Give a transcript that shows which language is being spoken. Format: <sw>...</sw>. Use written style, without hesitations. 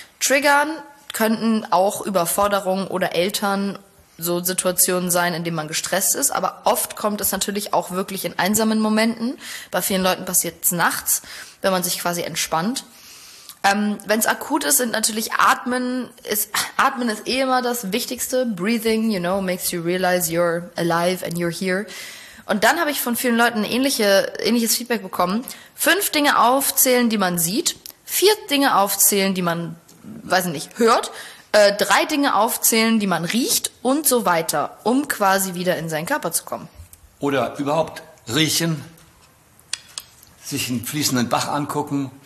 <de>Triggern könnten auch Überforderungen oder Eltern so Situationen sein, in denen man gestresst ist. Aber oft kommt es natürlich auch wirklich in einsamen Momenten. Bei vielen Leuten passiert es nachts, wenn man sich quasi entspannt. Wenn es akut ist, sind natürlich Atmen ist eh immer das Wichtigste.</de> <en>Breathing, you know, makes you realize you're alive and you're here.</en> <de>Und dann habe ich von vielen Leuten ähnliches Feedback bekommen. 5 Dinge aufzählen, die man sieht. 4 Dinge aufzählen, die man, weiß nicht, hört. 3 Dinge aufzählen, die man riecht und so weiter, um quasi wieder in seinen Körper zu kommen. Oder überhaupt riechen, sich einen fließenden Bach angucken.</de>